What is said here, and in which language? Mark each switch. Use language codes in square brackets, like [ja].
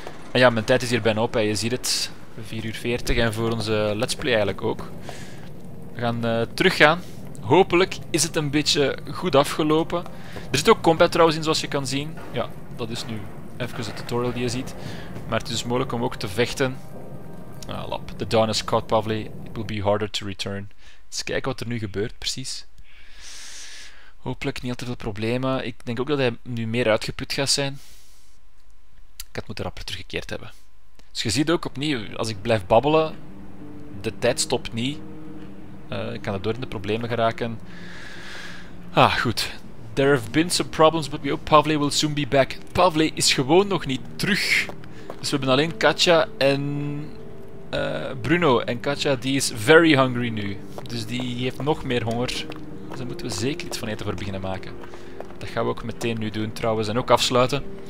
[nl] En ja, mijn tijd is hier bijna op. Hè. Je ziet het. 4:40 en voor onze let's play eigenlijk ook. We gaan teruggaan. Hopelijk is het een beetje goed afgelopen. Er zit ook combat trouwens in, zoals je kan zien. Ja, dat is nu even de tutorial die je ziet. Maar het is dus mogelijk om ook te vechten. Ah, lap. [en] The dawn is caught, Pavli. It will be harder to return. [nl] Eens kijken wat er nu gebeurt, precies. Hopelijk niet al te veel problemen. Ik denk ook dat hij nu meer uitgeput gaat zijn. Ik had moeten rapper teruggekeerd hebben. Dus je ziet ook opnieuw, als ik blijf babbelen, de tijd stopt niet. Ik kan daardoor in de problemen geraken. Ah, goed. [en] There have been some problems, but we hope Pavli will soon be back. [nl] Pavli is gewoon nog niet terug. Dus we hebben alleen Katja en Bruno. En Katja die is very hungry nu. Dus die heeft nog meer honger. Dus daar moeten we zeker iets van eten voor beginnen maken. Dat gaan we ook meteen nu doen trouwens. En ook afsluiten.